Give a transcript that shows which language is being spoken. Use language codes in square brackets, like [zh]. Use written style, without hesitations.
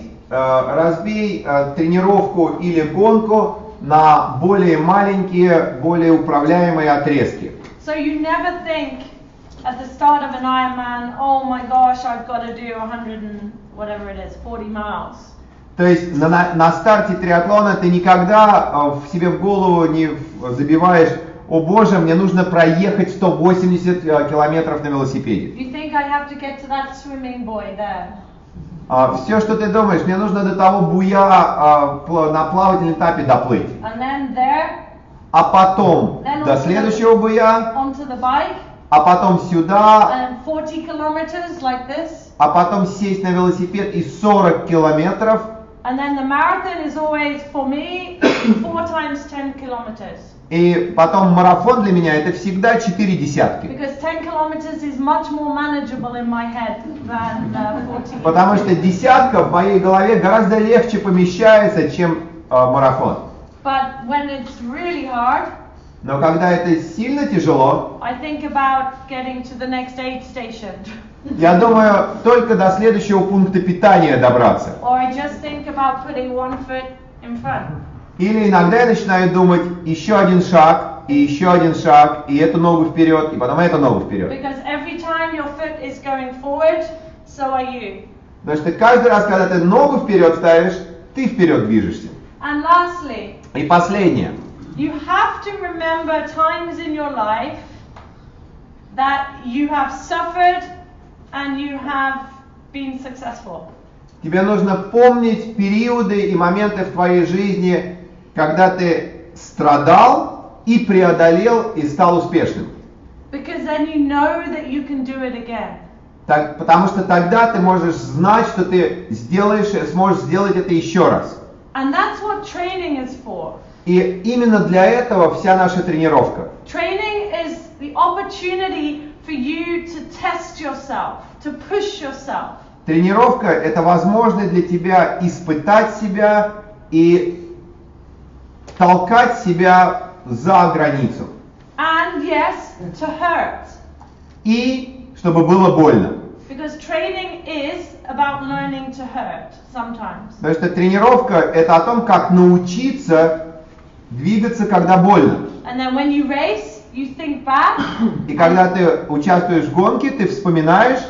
[ru] Разбей тренировку или гонку на более маленькие, более управляемые отрезки. [en] So you never think at the start of an Ironman, oh my gosh, I've got to do 100 and whatever it is, 40 miles. [ru] То есть на старте триатлона ты никогда в себе в голову не забиваешь: о боже, мне нужно проехать 180 километров на велосипеде. [en] You think I have to get to that swimming buoy there? [ru] Все, что ты думаешь, мне нужно до того буя на плавательном этапе доплыть. [en] And then there, [ru] а потом до следующего буя, [en] onto the bike, [ru] а потом сюда, [en] and 40 kilometers like this, [ru] а потом сесть на велосипед и 40 километров. [en] And then the marathon is always for me 4 times 10 kilometers. [ru] И потом марафон для меня — это всегда 4 десятки. [en] Because 10 kilometers is much more manageable in my head than 40. [ru] Потому что десятка в моей голове гораздо легче помещается, чем марафон. [en] But when it's really hard. [ru] Но когда это сильно тяжело. [en] I think about getting to the next aid station. [ru] Я думаю только до следующего пункта питания добраться. [en] Or I just think about putting one foot in front. [ru] Или иногда я начинаю думать: еще один шаг, и еще один шаг, и эту ногу вперед, и потом эту ногу вперед. [en] Because every time your foot is going forward, so are you. [ru] Потому что каждый раз, когда ты ногу вперед ставишь, ты вперед движешься. [en] And lastly, [ru] и последнее. [en] You have to remember times in your life that you have suffered and you have been successful. [ru] Тебе нужно помнить периоды и моменты в твоей жизни, когда ты страдал и преодолел и стал успешным. [en] Because then you know that you can do it again. [ru] Так, потому что тогда ты можешь знать, что ты сможешь сделать это еще раз. [en] And that's what training is for. [ru] И именно для этого вся наша тренировка. [en] Training is the opportunity for you to test yourself, to push yourself. [ru] Тренировка – это возможность для тебя испытать себя и толкать себя за границу. [en] And yes, to hurt. [ru] И чтобы было больно. [en] Because training is about learning to hurt sometimes. [ru] Потому что тренировка – это о том, как научиться двигаться, когда больно. [en] And then when you race, you think back, [ru] и когда ты участвуешь в гонке, ты вспоминаешь,